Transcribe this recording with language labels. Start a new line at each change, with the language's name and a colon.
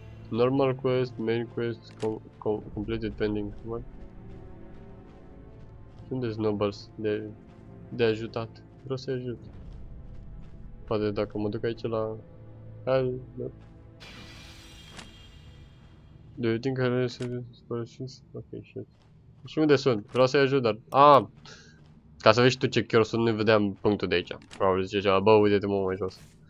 English: Normal quest, main quest, completed pending. What?
Romanian: Unde-s Nobles de ajutat? Vreau să-i ajut. Poate dacă mă duc aici la...
English: Hell, no. Do you think I'll need some inspirations? Ok, shit.
Romanian: Și unde sunt? Vreau să-i ajut, dar... Ca să vezi tu ce chiar sunt, nu vedeam punctul de aici. Probabil zice ceva, bă, uite-te mă mai jos.